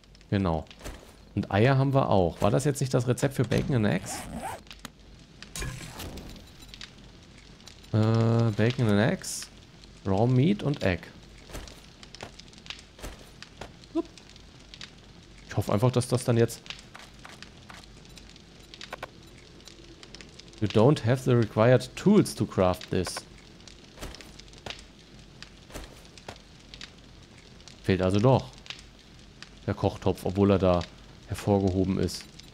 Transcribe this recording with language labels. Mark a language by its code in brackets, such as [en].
[de] Genau. Und Eier haben wir auch. War das jetzt nicht das Rezept für Bacon and Eggs? [en] Bacon and Eggs, Raw Meat und Egg. [de] Ich hoffe einfach, dass das dann jetzt... [en] You don't have the required tools to craft this. [de] Fehlt also doch der Kochtopf, obwohl er da hervorgehoben ist.